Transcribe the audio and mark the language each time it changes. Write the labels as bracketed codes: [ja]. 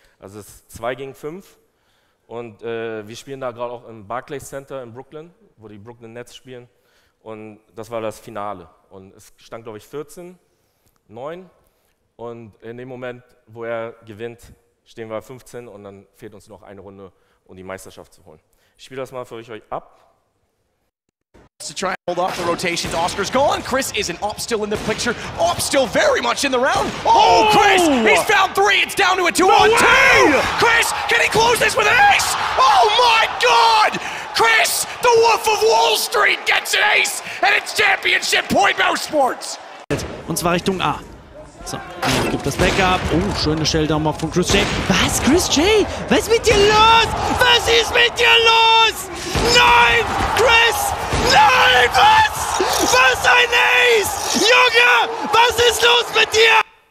[de] Also es ist 2 gegen 5. Und wir spielen da gerade auch im Barclays Center in Brooklyn, wo die Brooklyn Nets spielen. Und das war das Finale. Und es stand, glaube ich, 14-9. Und in dem Moment, wo er gewinnt, stehen wir 15 und dann fehlt uns noch eine Runde, um die Meisterschaft zu holen. Ich spiele das mal für euch ab. [en] To try and hold off the rotation. Oscar's gone. Chris is an op still in the picture. Op still very much in the round. Oh, Chris! He's found 3. It's down to a 2-on-2. Chris, can he close this with an ace? Oh my God! Chris, the Wolf of Wall Street, gets an ace and it's championship point Mouse Sports. [de] Und zwar Richtung A. So, gibt das Backup. Oh, schöne Shell-Down auch von Chris J. Was, Chris J? Was ist mit dir los? Was ist mit dir los? Nein, Chris! Nein, was? Was ein Ace? Junge, was ist los mit dir?